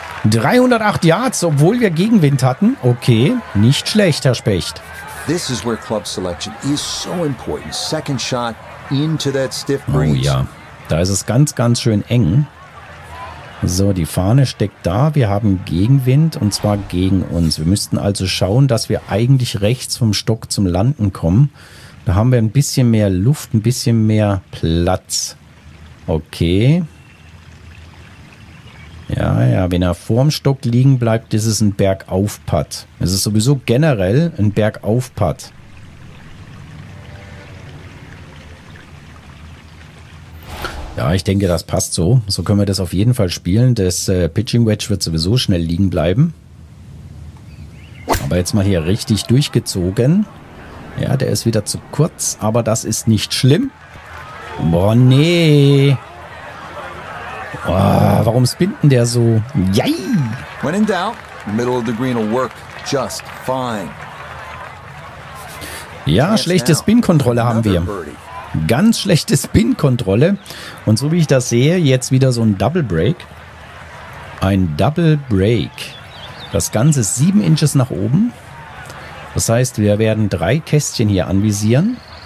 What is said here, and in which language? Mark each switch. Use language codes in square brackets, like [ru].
[de] 308 Yards, obwohl wir Gegenwind hatten. Okay, nicht schlecht, Herr Specht. [en] This is where club selection is so important. Second shot into that stiff breeze. [de] Oh ja, da ist es ganz, ganz schön eng. So, die Fahne steckt da, wir haben Gegenwind und zwar gegen uns. Wir müssten also schauen, dass wir eigentlich rechts vom Stock zum Landen kommen. Da haben wir ein bisschen mehr Luft, ein bisschen mehr Platz. Okay. Ja, wenn er vorm Stock liegen bleibt, ist es ein Bergauf-Putt. Es ist sowieso generell ein Bergauf-Putt. Ja, ich denke, das passt so. So können wir das auf jeden Fall spielen. Das Pitching Wedge wird sowieso schnell liegen bleiben. Aber jetzt mal hier richtig durchgezogen. Ja, der ist wieder zu kurz, aber das ist nicht schlimm. Boah, nee. Boah, warum spinnt denn der so? Yay! [en] When in doubt, middle of the green will work just fine. [de] Ja, schlechte Spin-Kontrolle haben wir. Ganz schlechte Spin-Kontrolle. Und so wie ich das sehe, jetzt wieder so ein Double Break. Ein Double Break. Das Ganze ist 7 Inches nach oben. Das heißt, wir werden 3 Kästchen hier anvisieren.